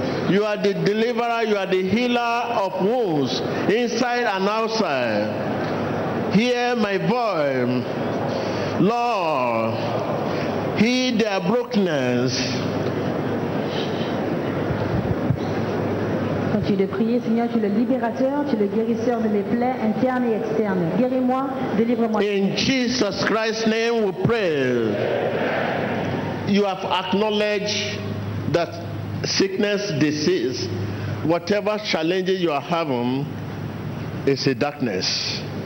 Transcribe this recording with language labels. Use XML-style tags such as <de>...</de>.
<en>You are the deliverer, you are the healer of wounds, inside and outside. Hear my voice. Lord, heal their brokenness.</en> <fr>Continue de prier, Seigneur, tu es le libérateur, tu es le guérisseur de mes plaies internes et externes. Guéris-moi, délivre-moi.</fr> <en>In Jesus Christ's name we pray. You have acknowledged that sickness, disease, whatever challenges you are having, is a darkness.</en>